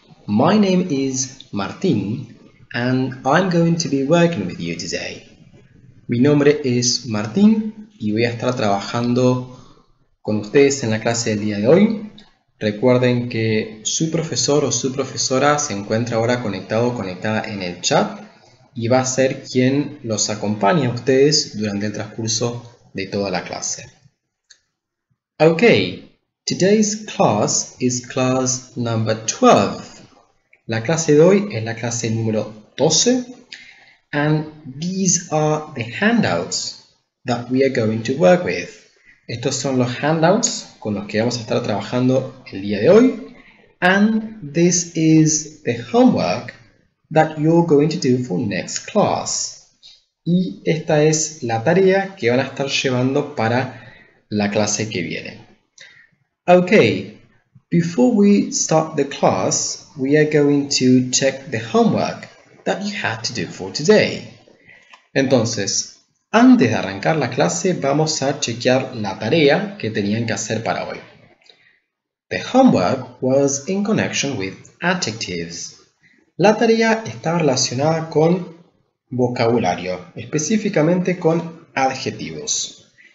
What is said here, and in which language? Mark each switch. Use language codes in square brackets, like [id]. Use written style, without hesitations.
[en] My name is Martin, and I'm going to be working with you today. [es] Mi nombre es Martin, y voy a estar trabajando con ustedes en la clase del día de hoy. Recuerden que su profesor o su profesora se encuentra ahora conectado o conectada en el chat, y va a ser quien los acompañe a ustedes durante el transcurso de toda la clase. Okay. [en] Today's class is class number 12. [es] La clase de hoy es la clase número 12. [en] And these are the handouts that we are going to work with. [es] Estos son los handouts con los que vamos a estar trabajando el día de hoy. [en] And this is the homework that you're going to do for next class. [es] Y esta es la tarea que van a estar llevando para la clase que viene. [en] Okay, before we start the class, we are going to check the homework that you had to do for today. [es] Entonces, antes de arrancar la clase, vamos a chequear la tarea que tenían que hacer para hoy. [en] The homework was in connection with adjectives. [es] La tarea está relacionada con vocabulario, específicamente con adjetivos.